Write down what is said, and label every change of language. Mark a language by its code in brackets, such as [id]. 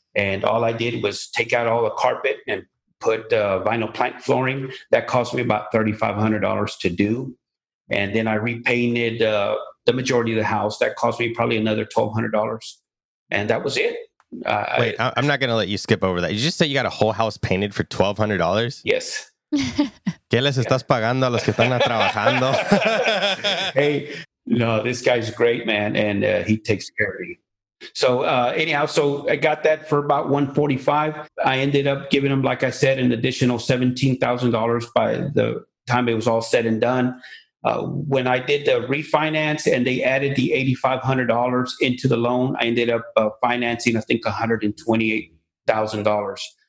[en] And all I did was take out all the carpet and put vinyl plank flooring. That cost me about $3,500 to do, and then I repainted the majority of the house. That cost me probably another $1,200. And that was it. I'm not going to let you skip over that. You just said you got a whole house painted for $1,200? Yes. [es] ¿Qué les estás pagando a los que están trabajando? [en] Hey, no, this guy's great, man. And he takes care of me. So anyhow, so I got that for about $145. I ended up giving him, like I said, an additional $17,000 by the time it was all said and done. When I did the refinance and they added the $8,500 into the loan, I ended up financing, I think, $128,000.